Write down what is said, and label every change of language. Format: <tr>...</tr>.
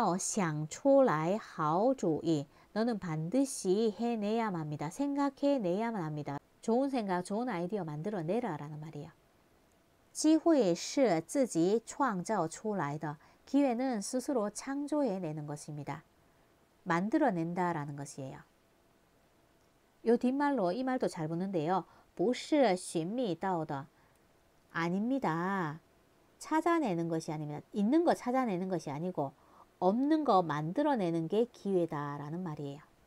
<zh>你一定要想出来好主意.</zh> <ko>너는 반드시 해내야만 합니다. 생각해내야만 합니다. 좋은 생각, 좋은 아이디어 만들어내라라는 말이에요.</ko> <zh>机会是自己创造出来的.</zh> <ko>기회는 스스로 창조해내는 것입니다. 만들어낸다라는 것이에요. 요 뒷말로 이 말도 잘 붙는데요.</ko> <zh>不是寻觅到的.</zh> <ko>아닙니다. 찾아내는 것이 아닙니다. 있는 거 찾아내는 것이 아니고, 없는 거 만들어내는 게 기회다라는 말이에요.</ko>